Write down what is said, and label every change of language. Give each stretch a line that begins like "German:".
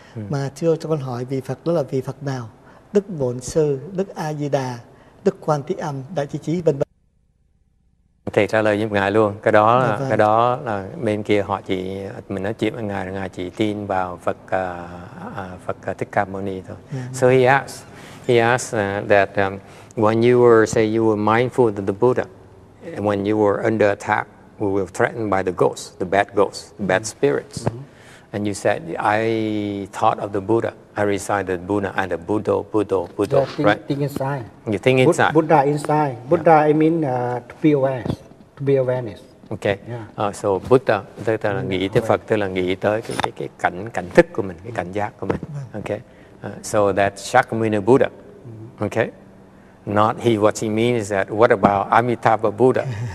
Vietnamese: Mà thưa cho con hỏi vị Phật đó là vị Phật nào? Đức Bổn Sư, Đức A-di-đà, Đức Quan Thế Âm, Đại Chí Chí, v.v. Thầy trả lời với Ngài luôn. Cái đó, cái đó là bên kia họ chỉ, mình nói chuyện với Ngài, Ngài chỉ tin vào Phật Phật Thích Ca Mâu Ni thôi.
English: So he asked that when you were, say you were mindful of the Buddha, and when you were under attack, we were threatened by the ghosts, the bad ghosts, the bad spirits. And you said, I thought of the Buddha. I recited Buddha and the Buddha, Buddha, Buddha, right? Think inside. You think inside. Buddha inside. Buddha, I mean to be aware, to be awareness. Okay.
Vietnamese: So Buddha, tức là nghĩ tới Phật, tức là nghĩ tới cái cảnh cảnh thức của mình, cái cảnh giác của mình.
English: Okay. So that's Shakyamuni Buddha. Okay. Not he, what he means is that, what about Amitabha Buddha?